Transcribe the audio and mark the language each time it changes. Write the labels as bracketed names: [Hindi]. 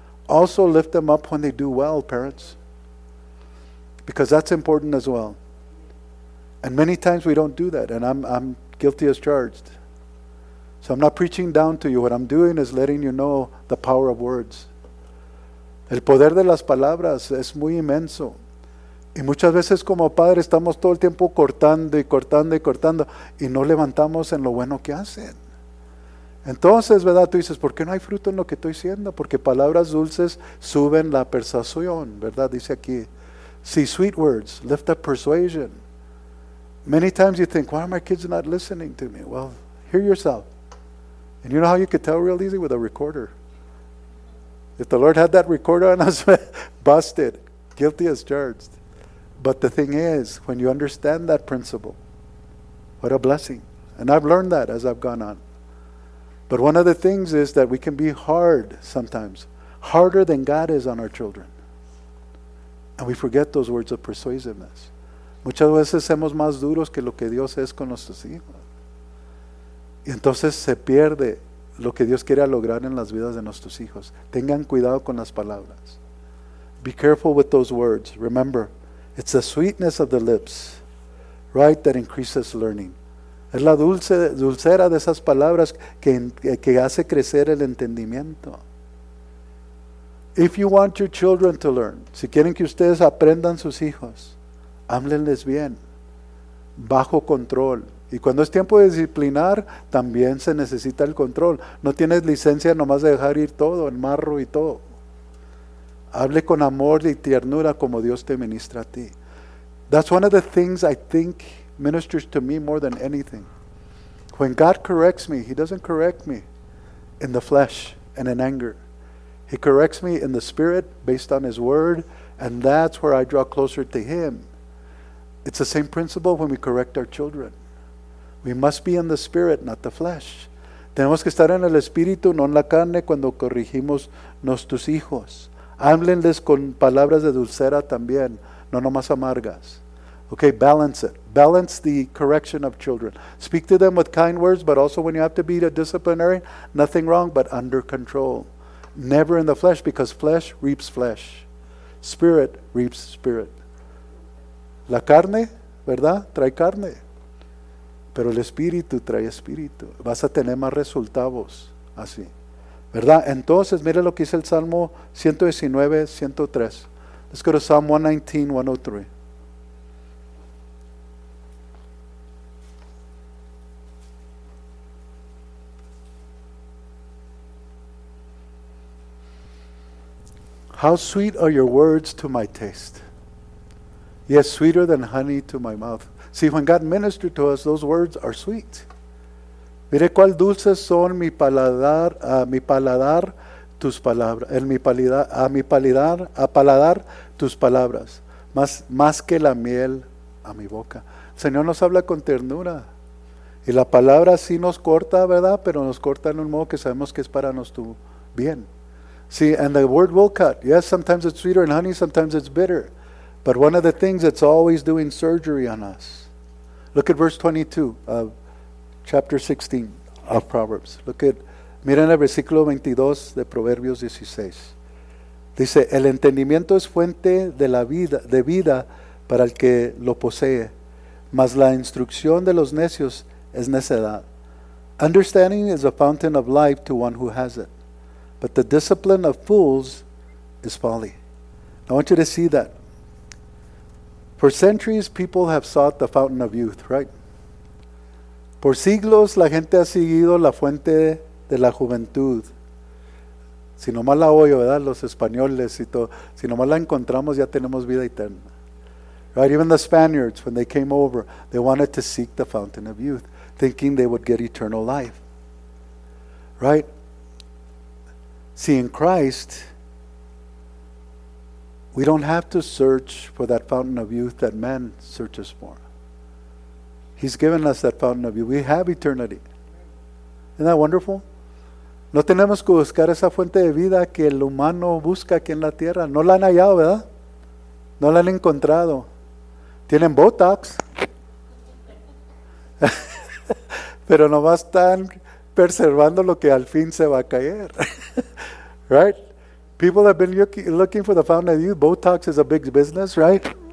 [English] Also lift them up when they do well, parents. Because that's important as well. And many times we don't do that. And I'm guilty as charged. So I'm not preaching down to you. What I'm doing is letting you know the power of words. [Spanish] El poder de las palabras es muy inmenso. Y muchas veces como padres estamos todo el tiempo cortando y cortando y cortando y no levantamos en lo bueno que hacen. Entonces, ¿verdad? Tú dices, ¿por qué no hay fruto en lo que estoy diciendo? Porque palabras dulces suben la persuasión, ¿verdad? Dice aquí, [English] see, sweet words lift up persuasion. Many times you think, why are my kids not listening to me? Well, hear yourself. And you know how you could tell real easy? With a recorder. If the Lord had that recorder on us, busted. Guilty as charged. But the thing is, when you understand that principle, what a blessing. And I've learned that as I've gone on. But one of the things is that we can be hard sometimes. Harder than God is on our children. And we forget those words of persuasiveness. [Spanish] Muchas veces somos más duros que lo que Dios es con nuestros hijos. Y entonces se pierde lo que Dios quiere lograr en las vidas de nuestros hijos. Tengan cuidado con las palabras. [English] Be careful with those words. Remember, it's the sweetness of the lips, right, that increases learning. [Spanish] Es la dulzura de esas palabras que hace crecer el entendimiento. [English] If you want your children to learn, [Spanish] si quieren que ustedes aprendan sus hijos, háblenles bien, bajo control. Y cuando es tiempo de disciplinar, también se necesita el control. No tienes licencia nomás de dejar ir todo, el marro y todo. Hable con amor y ternura como Dios te ministra a ti. [English] That's one of the things I think ministers to me more than anything. When God corrects me, he doesn't correct me in the flesh and in anger. He corrects me in the spirit based on his word, and that's where I draw closer to him. It's the same principle when we correct our children. We must be in the spirit, not the flesh. [Spanish] Tenemos que estar en el espíritu, no en la carne, cuando corrigimos nuestros hijos. Háblenles con palabras de dulzura también, no nomás amargas. [English] Okay, balance it. Balance the correction of children. Speak to them with kind words, but also when you have to be a disciplinary, nothing wrong, but under control. Never in the flesh, because flesh reaps flesh. Spirit reaps spirit. [Spanish] La carne, ¿verdad? Trae carne. Pero el espíritu trae espíritu. Vas a tener más resultados así, ¿verdad? Entonces, mire lo que dice el Salmo 119, 103. [English] Let's go to Psalm 119, 103. How sweet are your words to my taste. Yes, sweeter than honey to my mouth. See, when God ministered to us, those words are sweet. [Spanish] Mire cuál dulces son mi paladar tus palabras. A mi paladar tus palabras. Más que la miel a mi boca. El Señor nos habla con ternura. Y la palabra sí nos corta, ¿verdad? Pero nos corta en un modo que sabemos que es para nuestro bien. [English] See, and the word will cut. Yes, sometimes it's sweeter than honey, sometimes it's bitter. But one of the things that's always doing surgery on us. Look at verse 22 of chapter 16 of Proverbs. [Spanish] Miren el versículo 22 de Proverbios 16. Dice, el entendimiento es fuente de la vida, de vida para el que lo posee, mas la instrucción de los necios es necedad. [English] Understanding is a fountain of life to one who has it. But the discipline of fools is folly. I want you to see that. For centuries, people have sought the fountain of youth, right? [Spanish] Por siglos, la gente ha seguido la fuente de la juventud. Si no mal la oyo, ¿verdad? Los españoles y todo. Si no mal la encontramos, ya tenemos vida eterna. [English] Right? Even the Spaniards, when they came over, they wanted to seek the fountain of youth, thinking they would get eternal life. Right? See, in Christ, we don't have to search for that fountain of youth that man searches for. He's given us that fountain of youth. We have eternity. Isn't that wonderful? [Spanish] No tenemos que buscar esa fuente de vida que el humano busca aquí en la tierra. No la han hallado, ¿verdad? No la han encontrado. Tienen Botox. Pero nomás están preservando lo que al fin se va a caer. [English] Right? People have been looking for the fountain of youth. Botox is a big business, right?